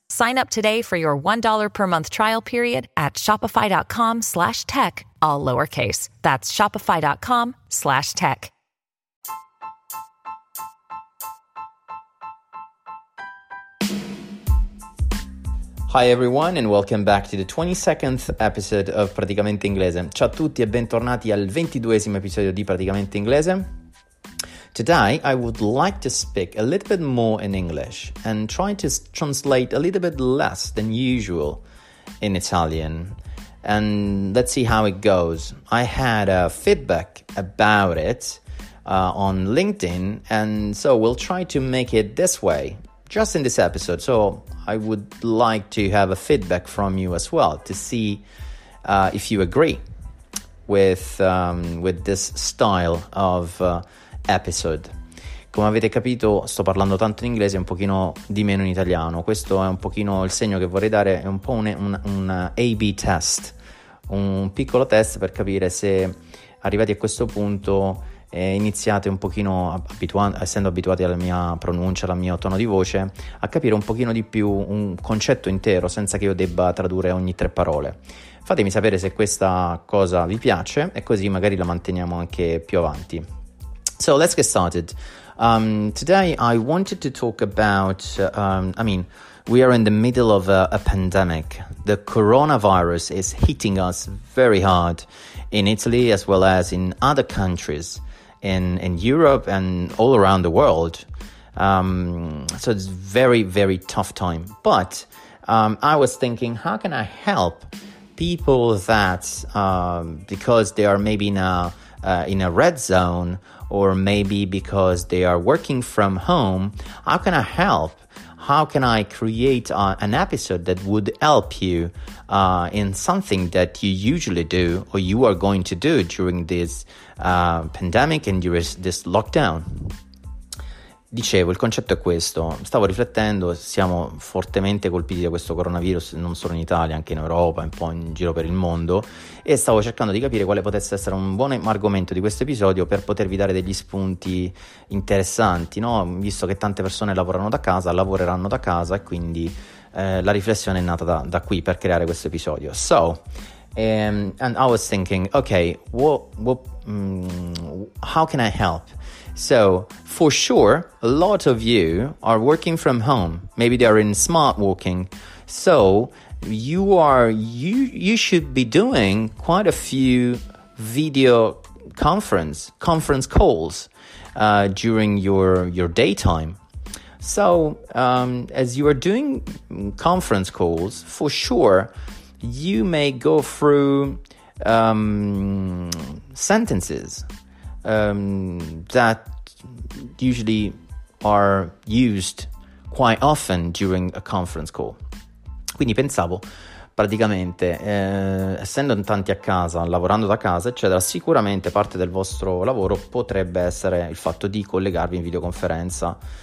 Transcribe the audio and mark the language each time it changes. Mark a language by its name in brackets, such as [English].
[English] Sign up today for your $1 per month trial period at shopify.com/tech, all lowercase. That's shopify.com/tech. Hi everyone and welcome back to the 22nd episode of Praticamente Inglese. Ciao a tutti e bentornati al 22esimo episodio di Praticamente Inglese. Today I would like to speak a little bit more in English and try to translate a little bit less than usual in Italian. And let's see how it goes. I had a feedback about it on LinkedIn, and so we'll try to make it this way. Just in this episode, so I would like to have a feedback from you as well to see if you agree with this style of episode. [Italian] Come avete capito, sto parlando tanto in inglese e un pochino di meno in italiano. Questo è un pochino il segno che vorrei dare, è un po' un A-B test, un piccolo test per capire se arrivati a questo punto e iniziate un pochino, essendo abituati alla mia pronuncia, al mio tono di voce, a capire un pochino di più un concetto intero senza che io debba tradurre ogni tre parole. Fatemi sapere se questa cosa vi piace e così magari la manteniamo anche più avanti. [English] So let's get started. Today I wanted to talk about, we are in the middle of a pandemic. The coronavirus is hitting us very hard in Italy as well as in other countries. In Europe and all around the world. So it's very, very tough time. But I was thinking, how can I help people that, because they are maybe in a red zone, or maybe because they are working from home, how can I help? How can I create an episode that would help you in something that you usually do or you are going to do during this pandemic and during this lockdown? [Italian] Dicevo, il concetto è questo. Stavo riflettendo, siamo fortemente colpiti da questo coronavirus, non solo in Italia, anche in Europa, un po' in giro per il mondo, e stavo cercando di capire quale potesse essere un buon argomento di questo episodio per potervi dare degli spunti interessanti, no? Visto che tante persone lavorano da casa, lavoreranno da casa, e quindi la riflessione è nata da qui per creare questo episodio. [English] So, and I was thinking, okay, how can I help? So, for sure, a lot of you are working from home. Maybe they are in smart working. So, you should be doing quite a few video conference calls during your daytime. So, as you are doing conference calls, for sure, you may go through sentences that usually are used quite often during a conference call. [Italian] Quindi pensavo, praticamente, essendo tanti a casa, lavorando da casa, eccetera, sicuramente parte del vostro lavoro potrebbe essere il fatto di collegarvi in videoconferenza.